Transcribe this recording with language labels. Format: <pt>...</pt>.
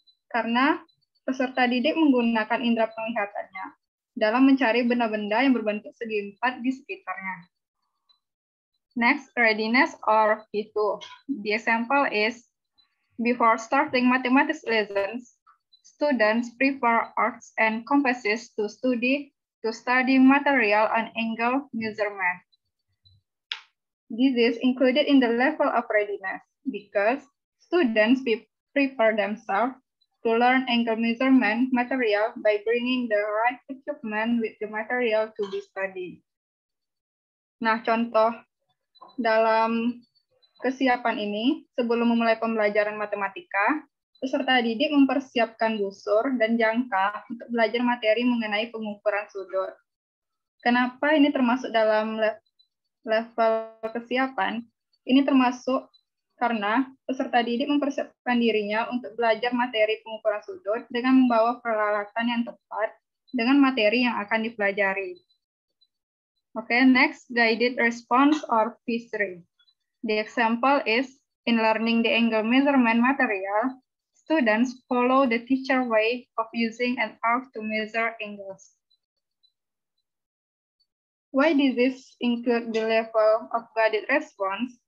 <id>Karena peserta didik menggunakan indera penglihatannya dalam mencari benda-benda yang berbentuk segi empat di sekitarnya.</id> <en>Next, readiness or P2. The example is, before starting mathematics lessons, students prepare arcs and compasses to study material and angle measurement. This is included in the level of readiness because students prepare themselves to learn angle measurement material by bringing the right equipment with the material to be studied.</en> <id>Nah, contoh dalam kesiapan ini, sebelum memulai pembelajaran matematika, peserta didik mempersiapkan busur dan jangka untuk belajar materi mengenai pengukuran sudut. Kenapa ini termasuk dalam level kesiapan? Ini termasuk karena peserta didik mempersiapkan dirinya untuk belajar materi pengukuran sudut dengan membawa peralatan yang tepat dengan materi yang akan dipelajari.</id> <en>Okay, next, guided response or P3. The example is, in learning the angle measurement material, students follow the teacher way of using an arc to measure angles. Why does this include the level of guided response?</en>